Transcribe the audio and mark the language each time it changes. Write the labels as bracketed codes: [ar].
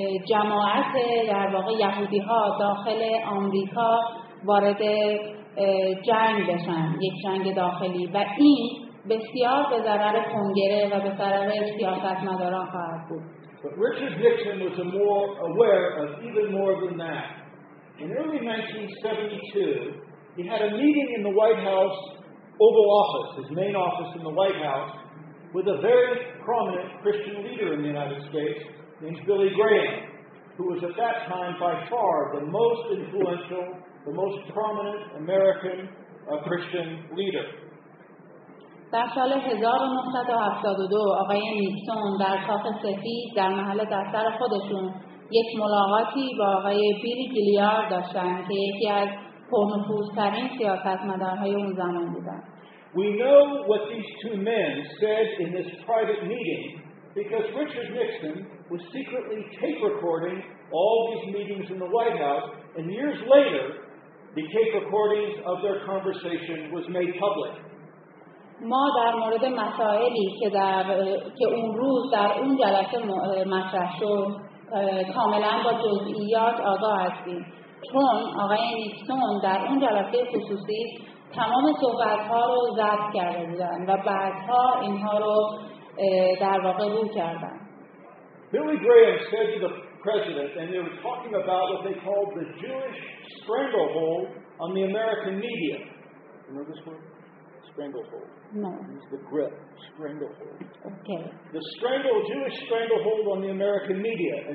[fa] جماعت در واقع یهودی ها داخل آمریکا وارد جنگ بشن، یک جنگ داخلی، و این بسیار به ضرر کنگره و به ضرر سیاست مداران خواهد بود. [en] But Richard Nixon was more aware of even more than that. In early 1972, he had a meeting in the White House Oval Office, his main office in the White House, with a very prominent Christian leader in the United States named Billy Graham, who was at that time by far the most influential, the most prominent American Christian leader. [fa] در سال 1972 آقای نیکسون در کاخ سفید در محل دفتر خودشون یک ملاقاتی با آقای بیلی گیلیارد داشتن که یکی از پرنفوذترین سیاستمدارهای اون زمان بودن. [en] We know what these two men said in this private meeting because Richard Nixon was secretly tape recording all these meetings in the White House, and years later the tape recordings of their conversation was made public. [fa] ما در مورد مسائلی که اون روز در اون جلسه مطرح شد کاملا با جزئیات آگاه هستیم، چون آقای نیکسون در اون جلسه خصوصی تمام صحبت‌ها رو ضبط کرده بودن و بعدها اینها رو در واقع رو کردن. [en] Billy Graham said to the president, and they were talking about what they called the Jewish stranglehold on the American media. Remember this word? Stranglehold. No. It's the grip. Stranglehold. Okay. The Jewish stranglehold on the American media.